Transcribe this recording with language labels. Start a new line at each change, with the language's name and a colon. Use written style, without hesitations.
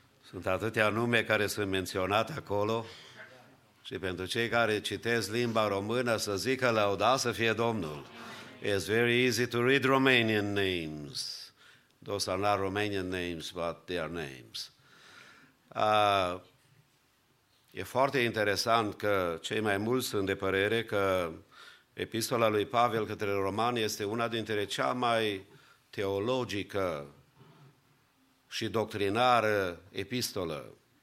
Romanian: Sunt atâtea nume care sunt menționate acolo și pentru cei care citesc limba română să zică laudat să fie Domnul.
English: It's very easy to read Romanian names. Those are not Romanian names, but their names.
Romanian: E foarte interesant că cei mai mulți sunt de părere că epistola lui Pavel către Romani este una dintre cea mai teologică și doctrinară epistolă.